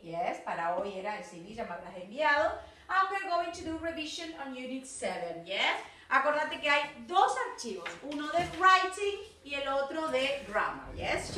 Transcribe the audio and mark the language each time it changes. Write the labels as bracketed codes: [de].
[es] Yes, para hoy era el CV, ya me habrás enviado. [en] And we're going to do revision on Unit 7, yes? [es] Acordate que hay dos archivos, uno de writing y el otro de grammar, yes?